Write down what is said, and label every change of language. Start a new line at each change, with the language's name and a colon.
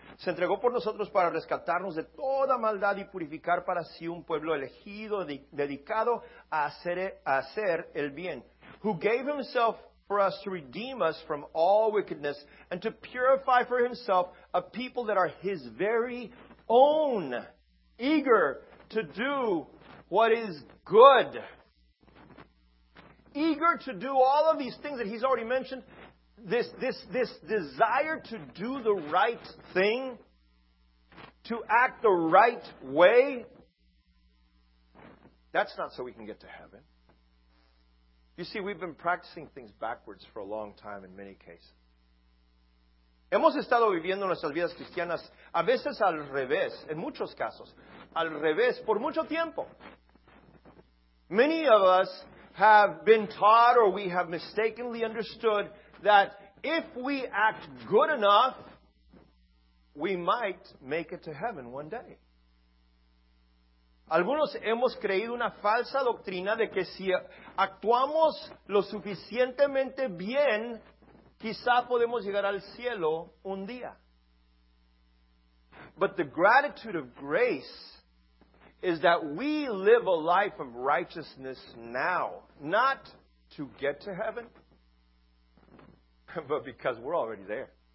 Spanish: Se entregó por nosotros para rescatarnos de toda maldad y purificar para sí un pueblo elegido, dedicado a hacer el bien.
English: Who gave himself for us to redeem us from all wickedness and to purify for himself a people that are his very own, eager to do what is good. Eager to do all of these things that he's already mentioned. This desire to do the right thing, to act the right way, that's not so we can get to heaven. You see, we've been practicing things backwards for a long time in many cases.
Spanish: Hemos estado viviendo nuestras vidas cristianas a veces al revés, en muchos casos, al revés por mucho tiempo.
English: Many of us have been taught or we have mistakenly understood that if we act good enough, we might make it to heaven one day.
Spanish: Algunos hemos creído una falsa doctrina de que si actuamos lo suficientemente bien, quizá podemos llegar al cielo un día.
English: But the gratitude of grace is that we live a life of righteousness now, not to get to heaven, but because we're already there.